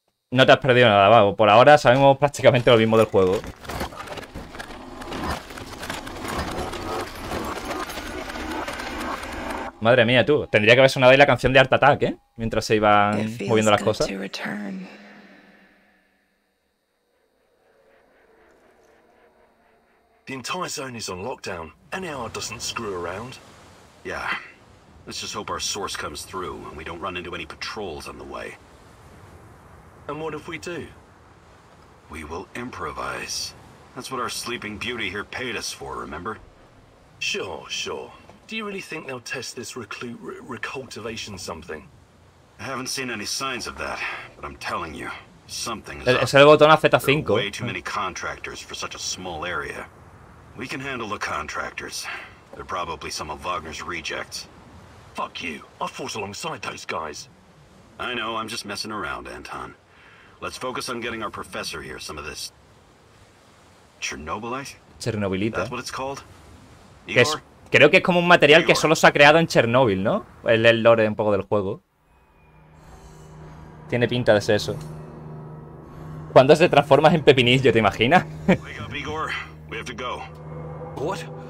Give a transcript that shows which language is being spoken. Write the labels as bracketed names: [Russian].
[Spanish] No te has perdido nada, va. Por ahora sabemos prácticamente lo mismo del juego. Madre mía, tú. Tendría que haber sonado ahí la canción de Art Attack, ¿eh? Mientras se iban moviendo las cosas. [English] The entire zone is on lockdown, and AR doesn't screw around. Yeah. Let's just hope our source comes through and we don't run into any patrols on the way. And what if we do? We will improvise. That's what our sleeping beauty here paid us for, remember? Sure, sure. Do you really think they'll test this recultivation something? I haven't seen any signs of that, but I'm telling you, something is up. [Spanish] Es el botón Z5. [English] There are way too many contractors for such a small area. We can handle the contractors. They're probably some of Wagner's rejects. Fuck you. I fought alongside those guys. I know, I'm just messing around, Anton. Let's focus on getting our professor here some of this Chernobylite? Chernobylita. That's what it's called? Igor? [Spanish] Creo que es como un material Igor. Que solo se ha creado en Chernobyl, ¿no? El lore un poco del juego. Tiene pinta de ser eso. ¿Cuándo se transformas en pepinillo, te imaginas? [English] Wake up, Igor. We have to go. What?